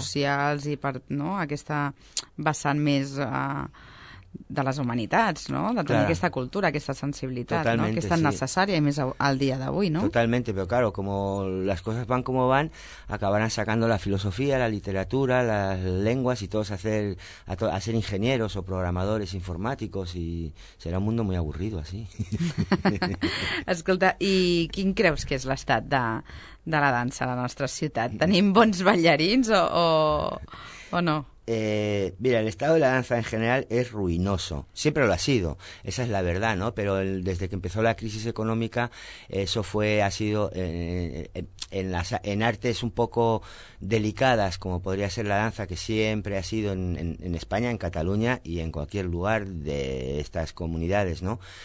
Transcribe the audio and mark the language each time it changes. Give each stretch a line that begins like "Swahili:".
Catalan: socials i per, no, aquesta vessant més de les humanitats, no? De tenir,
Spanish: claro,
Catalan: aquesta cultura, aquesta sensibilitat,
Spanish: totalmente,
Catalan: no? Que és tan, sí, necessària i més al dia d'avui, no?
Spanish: Totalmente, pero claro, como las cosas van como van, acabarán sacando la filosofía, la literatura, las lenguas y todos a ser ingenieros o programadores informáticos y será un mundo muy aburrido así.
Catalan: Escolta, i quin creus que és l'estat de la dansa a la nostra ciutat? Tenim bons ballarins o no?
Spanish: Mira, el estado de la danza en general es ruinoso. Siempre lo ha sido, esa es la verdad, ¿no? Pero desde que empezó la crisis económica, eso ha sido en artes un poco delicadas, como podría ser la danza, que siempre ha sido en España, en Cataluña y en cualquier lugar de estas comunidades, ¿no?